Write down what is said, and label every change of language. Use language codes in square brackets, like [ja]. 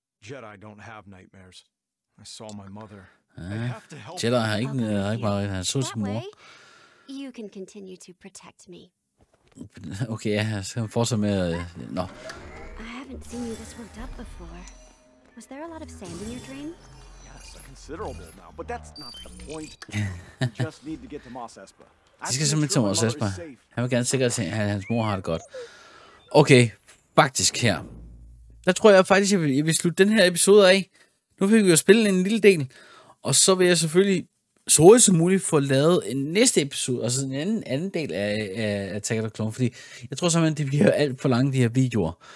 [en] Jedi don't have nightmares. I saw my mother. [da] Jedi har ikke bare han så sin mor. [en] You can continue to protect me. [da] Okay, ja, så kan han fortsætte med at... Nå. [en] I haven't seen you this worked up before. Was there a lot of sand in your dream? Yes, a considerable amount, but that's not the point. You just need to get to Mos Espa. [da] Det skal simpelthen til Mos Espa. Han vil gerne sikre sig, at hans mor har det godt. Okay, faktisk her. der tror jeg faktisk, at jeg vil slutte den her episode af. Nu fik vi jo spillet en lille del, og så vil jeg selvfølgelig så hurtigt som muligt få lavet en næste episode, altså en anden del af Attack of the Clone, fordi jeg tror simpelthen, det bliver alt for lange, de her videoer.